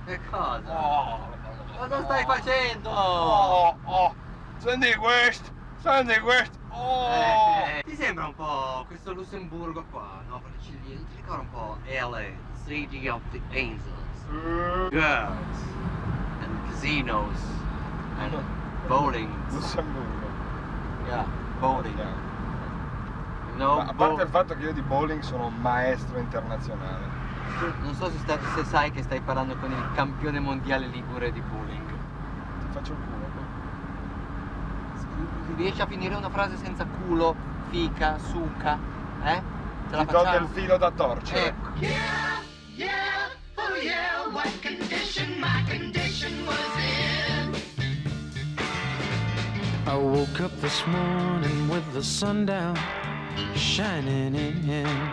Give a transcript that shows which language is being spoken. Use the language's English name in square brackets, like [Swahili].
[Italian] Cosa? Cosa stai facendo? Senti questo, senti questo. Ti sembra un po' questo Lussemburgo qua, no? Perché ti ricorda un po' LA, City of the Angels. [English] Girls and casinos and bowling. [Italian] Lussemburgo. [English] Yeah, bowling. [Italian] No, ma a parte il fatto che io di bowling sono un maestro internazionale. Non so se, se sai che stai parlando con il campione mondiale ligure di bowling. Ti faccio il culo. Ti riesci a finire una frase senza culo, fica, succa, eh? Ce la facciamo? Ti tolgo il filo da torcere. Ecco. [English] Yeah, yeah, oh yeah, what condition my condition was in. I woke up this morning with the sun down shining in him.